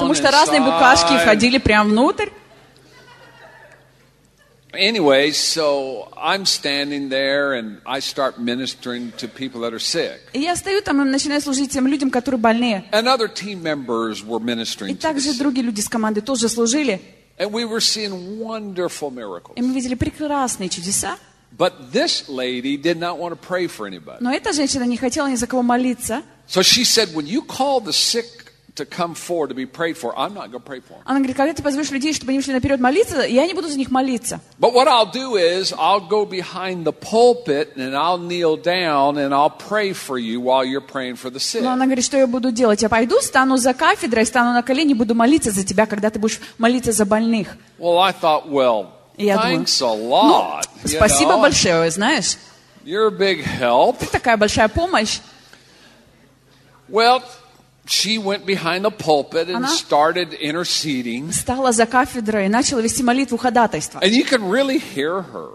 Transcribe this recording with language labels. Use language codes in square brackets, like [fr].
[ru] Потому что разные букашки входили прямо внутрь. [en] Anyway, so I'm standing there and I start ministering to people that are sick. [ru] И я стою там и начинаю служить тем людям, которые больные. [en] And other team members were ministering. [ru] И также другие люди с команды тоже служили. [en] And we were seeing wonderful miracles. [ru] И мы видели прекрасные чудеса. [en] But this lady did not want to pray for anybody. [ru] Но эта женщина не хотела ни за кого молиться. [en] So she said, "When you call the sick to come forward to be prayed for, I'm not going to pray for them." [ru] Она говорит, когда ты позовешь людей, чтобы они шли наперед молиться, я не буду за них молиться. [en] But what I'll do is, I'll go behind the pulpit and I'll kneel down and I'll pray for you while you're praying for the sick. [ru] Но она говорит, что я буду делать? Я пойду, стану за кафедрой, стану на колени, буду молиться за тебя, когда ты будешь молиться за больных. [en] Well, I thought, well, thanks a lot. [ru] Ну, спасибо большое, знаешь. [en] You're a big help. [ru] Ты такая большая помощь. [en] Well, she went behind the pulpit and started interceding. [ru] Стала за кафедрой и начала вести молитву ходатайства. [en] And you can really hear her.